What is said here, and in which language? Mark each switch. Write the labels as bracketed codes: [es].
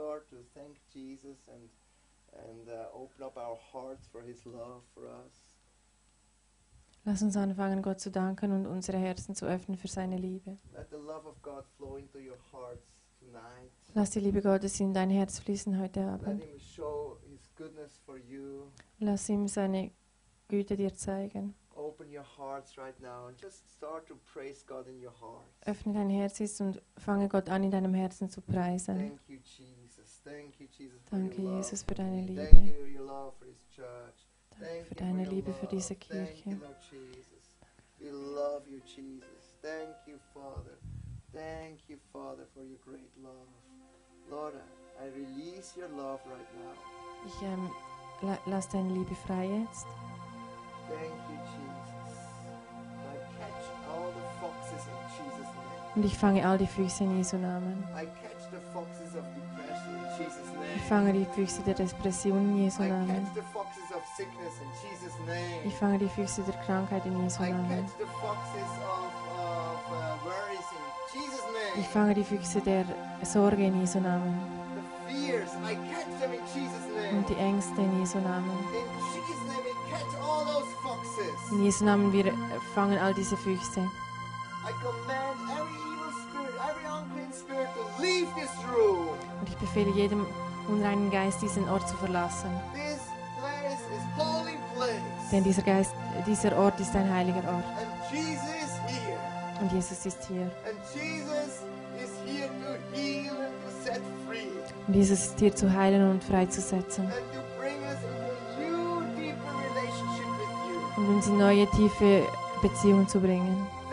[en] To thank Jesus and open up our hearts for his love for us. [de] Lass uns anfangen, Gott zu danken und unsere Herzen zu öffnen für seine Liebe. [en] Let the love of God flow into your hearts [de] Lass die Liebe Gottes in dein Herz fließen heute Abend. [en] Let him show his goodness for you. [de] Lass ihm seine Güte dir zeigen. [en] Open your hearts right now and just start to praise God in your heart. [de] Öffne dein Herz und fange Gott an in deinem Herzen zu preisen. [en] Thank you, Jesus. Thank you, Jesus. [de] Danke, Jesus, für deine Liebe. [en] Thank you, your love for this church. [de] Danke für deine Liebe für diese Kirche. [en] Thank you, Lord Jesus. We love you, Jesus. Thank you, Father. Thank you, Father, for your great love. Lord, I release your love right now. [de] Ich lass deine Liebe frei jetzt. [en] Thank you, Jesus. I catch all the foxes in Jesus' name. [de] Und ich fange all die Füchse in Jesu Namen. [en] I catch the foxes of depression in Jesus' name. [de] Ich fange die Füchse der Depression in Jesu Namen. [en] I catch the foxes of sickness in Jesus' name. [de] Ich fange die Füchse der Krankheit in Jesu Namen. [en] I catch the foxes of worries in Jesus' name. [de] Ich fange die Füchse der Sorge in Jesu Namen. [en] The fears, I catch them in Jesus' name. [de] Und die Ängste in Jesu Namen. [en] In Jesus' name, we catch all those foxes. [de] In Jesu Namen, wir fangen all diese Füchse. [en] I command every evil spirit, every unclean spirit to leave this room. [de] Und ich befehle jedem unreinen Geist, diesen Ort zu verlassen. [en] This place is holy place. [de] Denn dieser Geist, dieser Ort ist ein heiliger Ort. [en] And Jesus here. [de] Und Jesus ist hier. [en] And Jesus is here to heal and to set free. [de] Und Jesus ist hier zu heilen und freizusetzen. [en] And to bring us into a new, deeper relationship with you. [de] Und uns in neue, tiefe Beziehung zu bringen.